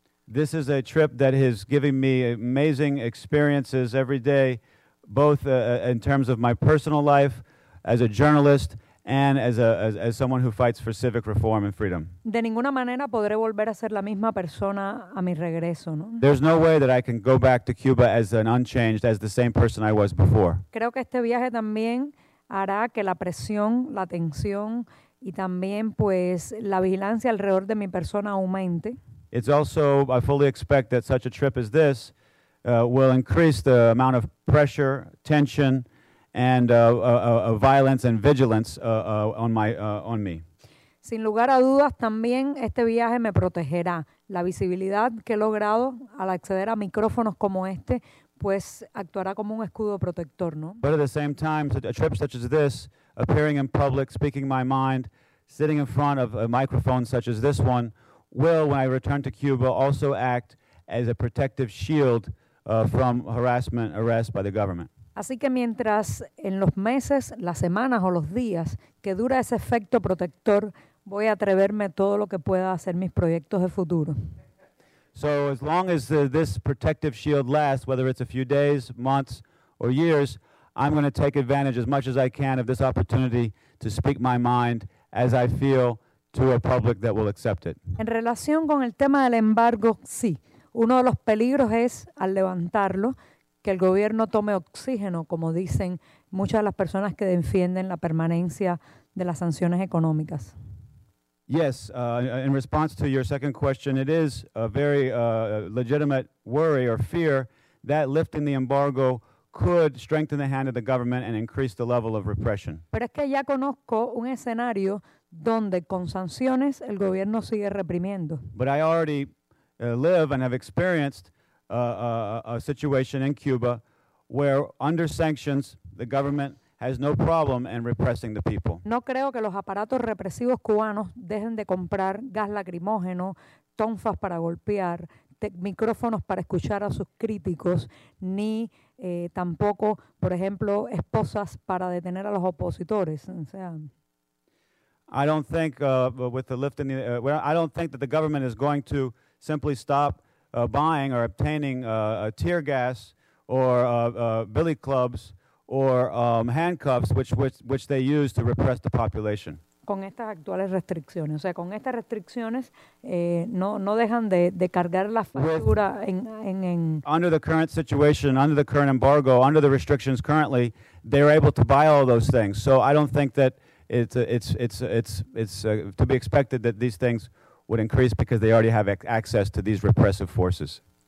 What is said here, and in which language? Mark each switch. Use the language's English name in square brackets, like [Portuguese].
[English] This is a trip that is giving me amazing experiences every day, both in terms of my personal life as a journalist and as someone who fights for civic reform and freedom. [Spanish] De ninguna manera podré volver a ser la misma persona a mi regreso, ¿no? [English] There's no way that I can go back to Cuba as an unchanged, as the same person I was before. [Spanish] Creo que este viaje también hará que la presión, la tensión y también pues la vigilancia alrededor de mi persona aumente. [English] It's also, I fully expect that such a trip as this will increase the amount of pressure, tension, and violence and vigilance on me. [Spanish] Sin lugar a dudas, también este viaje me protegerá. La visibilidad que he logrado al acceder a micrófonos como este, pues actuará como un escudo protector, ¿no? [English] But at the same time, a trip such as this, appearing in public, speaking my mind, sitting in front of a microphone such as this one, will, when I return to Cuba, also act as a protective shield from harassment, arrest by the government. [Spanish] Así que mientras en los meses, las semanas o los días que dura ese efecto protector, voy a atreverme todo lo que pueda hacer mis proyectos de futuro. [English] So as long as this protective shield lasts, whether it's a few days, months, or years, I'm going to take advantage as much as I can of this opportunity to speak my mind as I feel to a public that will accept it. [Spanish] En relación con el tema del embargo, sí. Uno de los peligros es, al levantarlo, que el gobierno tome oxígeno, como dicen muchas de las personas que defienden la permanencia de las sanciones económicas. [English] Yes, in response to your second question, it is a very legitimate worry or fear that lifting the embargo could strengthen the hand of the government and increase the level of repression. [Spanish] Pero es que ya conozco un escenario donde con sanciones el gobierno sigue reprimiendo. [English] But I already live and have experienced a situation in Cuba where under sanctions the government has no problem in repressing the people. [Spanish] No creo que los aparatos represivos cubanos dejen de comprar gas lacrimógeno, tonfas para golpear, micrófonos para escuchar a sus críticos, ni tampoco, por ejemplo, esposas para detener a los opositores. O sea, [English] I don't think with the lifting, I don't think that the government is going to simply stop buying or obtaining tear gas or billy clubs or handcuffs, which they use to repress the population. [Spanish] Con estas actuales restricciones, o sea, con estas restricciones, no dejan de cargar la factura en. [English] Under the current situation, under the current embargo, under the restrictions currently, they're able to buy all those things. So I don't think that it's to be expected that these things would increase because they already have access to these repressive forces.